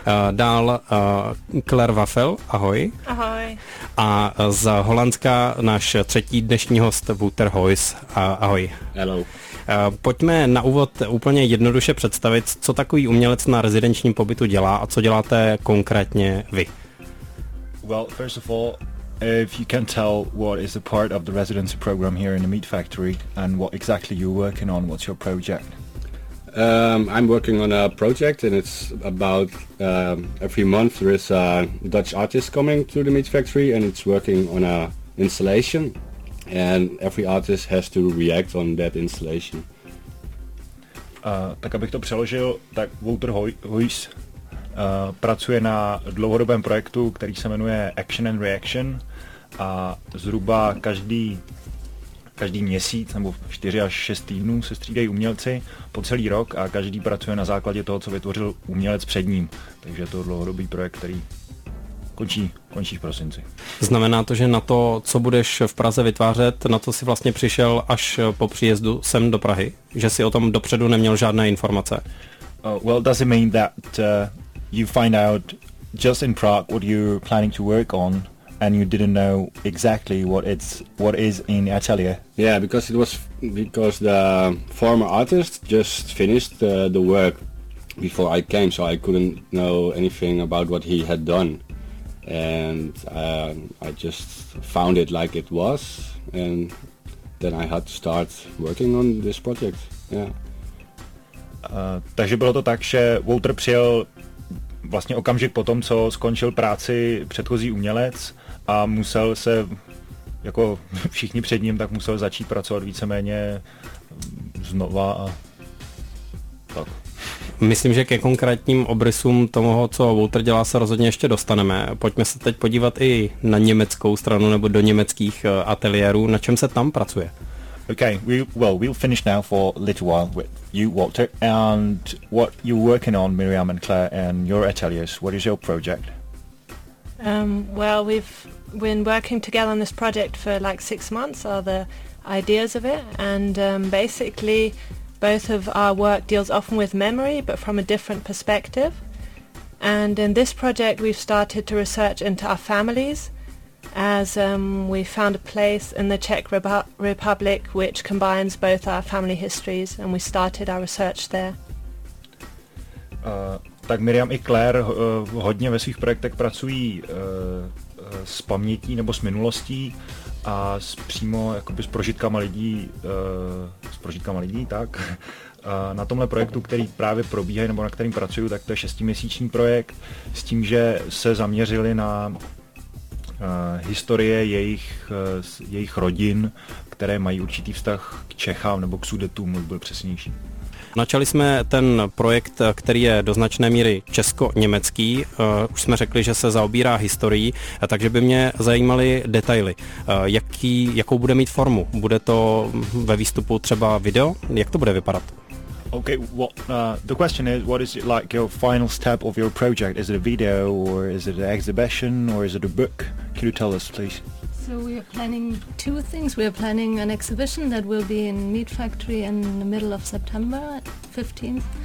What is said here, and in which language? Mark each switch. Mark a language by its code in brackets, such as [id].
[cs] Dál Claire Waffel, ahoj. Ahoj. A z Holandska náš třetí dnešní host Wouter Hoys, ahoj. [en] Hello. [cs] Pojďme na úvod úplně jednoduše představit, co takový umělec na rezidenčním pobytu dělá a co děláte konkrétně vy. [en] Well, first of all, if you can tell what is a part of the residency program here in the Meat Factory and what exactly you're working on, what's your project? I'm working on a project, and it's about every month there is a Dutch artist coming to the Meat Factory, and it's working on a installation, and every artist has to react on that installation. [cs] Tak abych to přeložil, tak Wouter Hoys pracuje na dlouhodobém projektu, který se jmenuje Action and Reaction, a zhruba každý měsíc nebo 4 až 6 týdnů se střídají umělci po celý rok a každý pracuje na základě toho, co vytvořil umělec před ním. Takže je to dlouhodobý projekt, který končí v prosinci. Znamená to, že na to, co budeš v Praze vytvářet, na to si vlastně přišel až po příjezdu sem do Prahy, že si o tom dopředu neměl žádné informace? [en] Well, does it mean that you find out just in Prague what you're planning to work on? And you didn't know exactly what is in the atelier. Yeah, because it was because the former artist just finished the work before I came, so I couldn't know anything about what he had done. And I just found it like it was, and then I had to start working on this project. Yeah. [cs] Takže bylo to tak, že Wouter přijel vlastně okamžik potom, co skončil práci předchozí umělec. A musel se, jako všichni před ním, tak musel začít pracovat víceméně znova a tak. Myslím, že ke konkrétním obrysům toho, co Wouter dělá, se rozhodně ještě dostaneme. Pojďme se teď podívat i na německou stranu nebo do německých ateliérů. Na čem se tam pracuje? [en] Okay, we'll finish now for a little while with you, Walter. And what you're working on, Miriam and Claire, and your ateliers, what is your project? Well, we've been working together on this project for like 6 months, are the ideas of it, and basically both of our work deals often with memory, but from a different perspective. And in this project we've started to research into our families, as we found a place in the Czech Republic which combines both our family histories, and we started our research there. [cs] Tak Miriam i Claire hodně ve svých projektech pracují s pamětí nebo s minulostí a s přímo jakoby s prožitkama lidí, tak. Na tomhle projektu, který právě probíhají nebo na kterým pracuju, tak to je 6měsíční projekt s tím, že se zaměřili na historie jejich rodin, které mají určitý vztah k Čechám nebo k Sudetům, byl přesnější. Načali jsme ten projekt, který je do značné míry česko-německý. Už jsme řekli, že se zaobírá historií, takže by mě zajímaly detaily. Jakou bude mít formu? Bude to ve výstupu třeba video? Jak to bude vypadat? [en] Okay, what the question is, what is it like your final step of your project? Is it a video or is it an exhibition or is it a book? Can you tell us, please? So we are planning two things. We are planning an exhibition that will be in Meat Factory in the middle of September 15th.